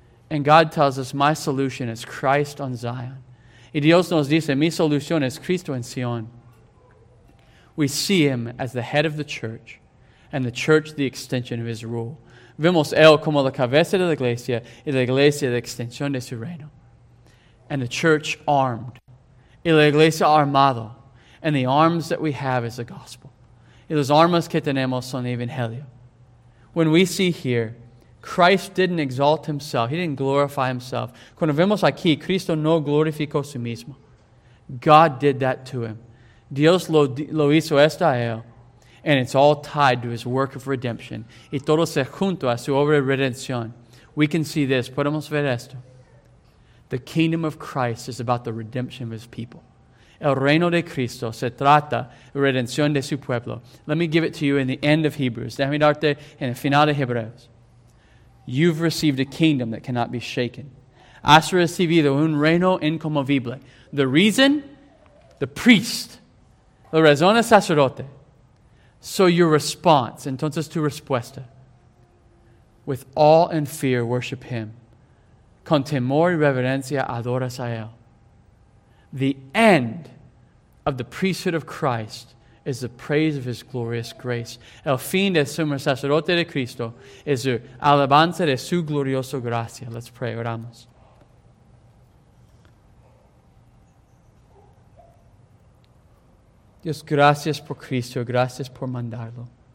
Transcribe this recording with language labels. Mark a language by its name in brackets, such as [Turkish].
[English] And God tells us, my solution is Christ on Zion. [Spanish] Y Dios nos dice, mi solución es Cristo en Sion. [English] We see Him as the head of the church, and the church the extension of His rule. [Spanish] Vemos Él como la cabeza de la iglesia y la iglesia la extensión de su reino. [English] And the church armed. [Spanish] Y la iglesia armado. [English] And the arms that we have is the gospel. [Spanish] Y las armas que tenemos son el evangelio. [English] When we see here, Christ didn't exalt Himself. He didn't glorify Himself. [Spanish] Cuando vemos aquí, Cristo no glorificó su mismo. [English] God did that to Him. [Spanish] Dios lo hizo esto a Él. [English] And it's all tied to His work of redemption. [Spanish] Y todo se junto a su obra de redención. [English] We can see this. [Spanish] Podemos ver esto. [English] The kingdom of Christ is about the redemption of His people. [Spanish] El reino de Cristo se trata de redención de su pueblo. [English] Let me give it to you in the end of Hebrews. [Spanish] Déjame darte en el final de Hebreos. [English] You've received a kingdom that cannot be shaken. [Spanish] Has recibido un reino inconmovible. [English] The reason? The priest. [Spanish] La razón es sacerdote. [English] So your response, [Spanish] entonces tu respuesta, [English] with awe and fear worship Him. [Spanish] Con temor y reverencia adoras a Él. [English] The end of the priesthood of Christ is the praise of His glorious grace. [Spanish] El fin del sumo sacerdote de Cristo es el alabanza de su glorioso gracia. [English] Let's pray, [Spanish] oramos. Dios, gracias por Cristo, gracias por mandarlo.